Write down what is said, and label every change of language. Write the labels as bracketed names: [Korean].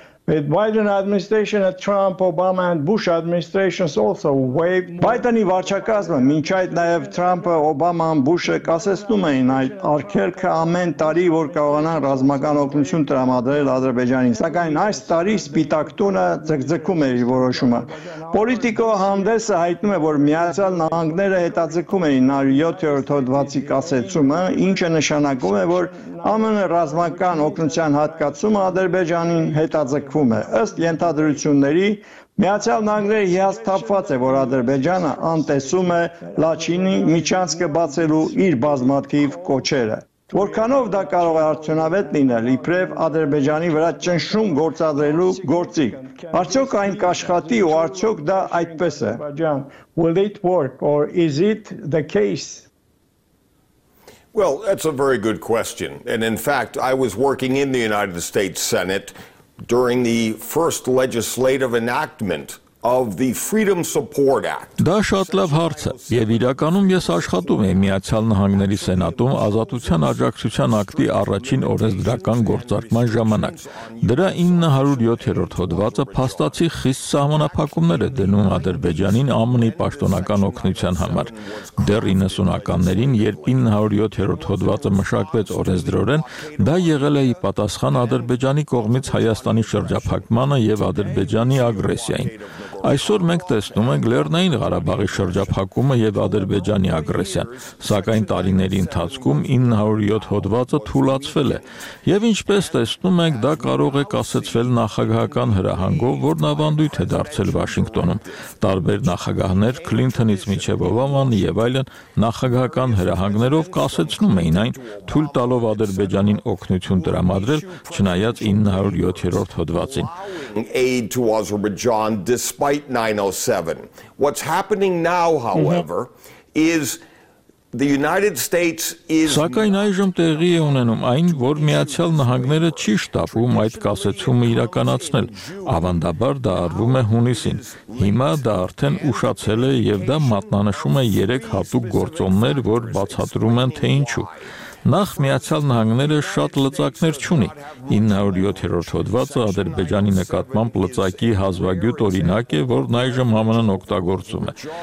[English] With Biden administration and Trump, Obama and Bush administrations also waived. [Armenian] Բայդենի վարչակազմը մինչ այդ նաև Թրամփը, Օբաման, Բուշը կասեցնում էին այդ արգելքը ամեն տարի, որ կարողանան ռազմական օգնություն տրամադրել Ադրբեջանին, սակայն այս տարի Սպիտակ տունը ձգձգում է իր որոշումը։ Պոլիտիկո հանդեսը հայտնում է, որ Միացյալ Նահանգները հետաձգում էին 107-րդ հոդվացի կասեցումը, ինչը նշանակում է, որ ԱՄՆ ռազմական օգնության հատկացումը Ադրբեջանին հետաձգվում է։ Ըստ ենթադրությունների, Միացյալ Նահանգները հիասթափված է, որ Ադրբեջանը անտեսում է Լաչինի միջանցքը բացելու իր բազմաթիվ կոչերը։ Որքանով դա կարող է արդյունավետ լինել, իբրև Ադրբեջանի վրա ճնշում գործադրելու գործիք։ Արդյոք այն կաշխատի ու արդյոք դա այդպես է։ [English] Will it work or is it the case? Well, that's a very good question. And in fact, I was working in the United States Senate during the first legislative enactment of the Freedom Support Act. [Armenian] Դա շատ լավ հարց է, եւ իրականում ես աշխատում եմ Միացյալ Նահանգների Սենատում Ազատության Աջակցության ակտի առաջին օրենսդրական գործարկման ժամանակ։ Դրա 907-րդ հոդվածը փաստացի խիստ սահմանափակումներ է դնում Ադրբեջանին ԱՄՆ-ի պաշտոնական օգնության համար։ Դեռ 90-ականներին, երբ 907-րդ հոդվածը մշակվեց օրենսդրորեն, դա եղել է պատասխան Ադրբեջանի կողմից Հայաստանի շրջափակմանը եւ Ադրբեջանի ագրեսիային։ Այսօր մենք տեսնում ենք Լեռնային Ղարաբաղի շրջափակումը եւ Ադրբեջանի ագրեսիան, սակայն տարիների ընթացքում 907 հոդվածը թուլացվել է եւ ինչպես տեսնում ենք, դա կարող է կասեցվել նախագահական հրահանգով, որն ավանդույթ է դարձել Վաշինգտոնում։ Տարբեր նախագահներ, Քլինթոնից մինչեւ Օբաման եւ այլն, նախագահական հրահանգներով կասեցնում էին այն, թույլ տալով Ադրբեջանին օգնություն տրամադրել, չնայած 907-րդ հոդվածին։ [English] Despite 907. What's happening now, however, is the United States is [Armenian] Սակայն այժմ տեղի է ունենում այն, որ Միացյալ Նահանգները չի շտապում այդ կասեցումը իրականացնել։ Ավանդաբար դա արվում է հունիսին։ Հիմա դա արդեն ուշացել է եւ դա մատնանշում է 3 հատուկ գործոններ, որ բացատրում են թե ինչու։ Նախ Միացյալ Նահանգները շատ լծակներ չունի։ 907-րդ հոդվածը Ադրբեջանի նկատմամբ լծակի հազվագյուտ օրինակ է, որն այժմ ԱՄՆ-ն օգտագործում է։